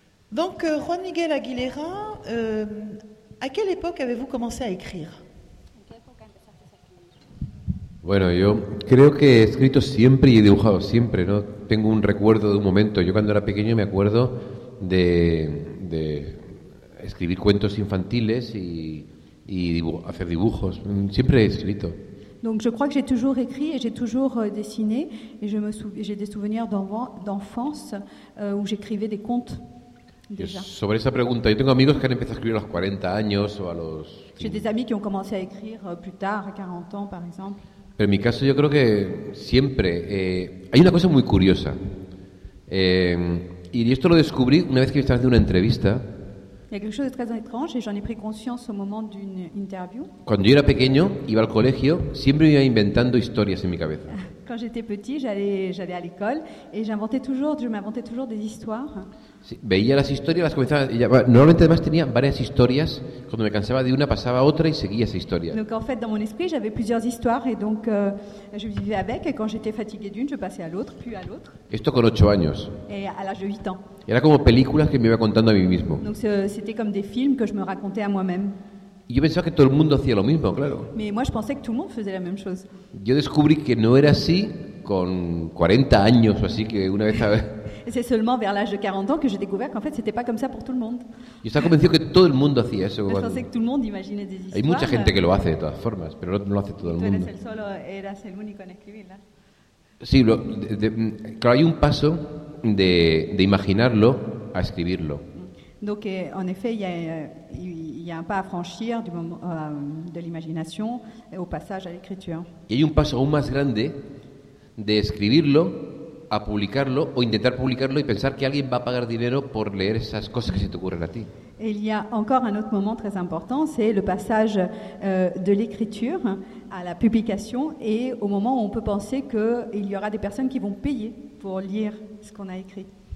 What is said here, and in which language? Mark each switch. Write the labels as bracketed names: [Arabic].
[French] Donc, Juan Miguel Aguilera, à quelle époque avez-vous commencé à écrire? [Spanish] Bueno, yo creo que he escrito siempre y he dibujado siempre, ¿no? Tengo un recuerdo de un momento. Yo cuando era pequeño me acuerdo de escribir cuentos infantiles y hacer dibujos. Siempre he escrito. [French] Donc je crois que j'ai toujours écrit et j'ai toujours dessiné et j'ai des souvenirs d'enfance où j'écrivais des contes. [Spanish] Sobre esa pregunta, yo tengo amigos que han empezado a escribir a los 40 años o a los... [French] J'ai des amis qui ont commencé à écrire plus tard, à 40 ans par exemple. [Spanish] Pero en mi caso yo creo que siempre... hay una cosa muy curiosa. Y esto lo descubrí una vez que estaba haciendo una entrevista. [French] Il y a quelque chose de très étrange et j'en ai pris conscience au moment d'une interview. [Spanish] Cuando yo era pequeño, iba al colegio, siempre iba inventando historias en mi cabeza. [French] Quand j'étais petit, j'allais à l'école et je m'inventais toujours des histoires. [Spanish] Sí, veía las historias, las comenzaba. Y ya, normalmente además tenía varias historias. Cuando me cansaba de una, pasaba a otra y seguía esa historia. [French] Donc en fait, dans mon esprit, j'avais plusieurs histoires et donc je vivais avec. Et quand j'étais fatigué d'une, je passais à l'autre, puis à l'autre. [Spanish] Esto con 8 años. [French] Et à l'âge de 8 ans. [Spanish] Y era como películas que me iba contando a mí mismo. [French] Donc c'était comme des films que je me racontais à moi-même. [Spanish] Yo pensaba que todo el mundo hacía lo mismo, claro. [French] Mais moi, je pensais que tout le monde faisait la même chose. [Spanish] Yo descubrí que no era así con 40 años o así, que una vez... [French] C'est seulement vers l'âge de 40 ans que j'ai découvert qu'en fait, c'était pas comme ça pour tout le monde. [Spanish] Yo estaba convencido que todo el mundo hacía eso. [French] Je pensais que tout le monde imaginait des histoires. [Spanish] Hay mucha gente que lo hace, de todas formas, pero no lo hace todo el mundo. Tú eras el único en escribirla. Sí, claro, hay un paso de imaginarlo a escribirlo. [French] Donc, en effet, il y a un pas à franchir du moment, de l'imagination au passage à l'écriture. [Spanish] Y hay un paso aún más grande de escribirlo a publicarlo o intentar publicarlo y pensar que alguien va a pagar dinero por leer esas cosas que se te ocurren a ti. [French] Et il y a encore un autre moment très important, c'est le passage de l'écriture à la publication et au moment où on peut penser qu'il y aura des personnes qui vont payer pour lire ce qu'on a écrit.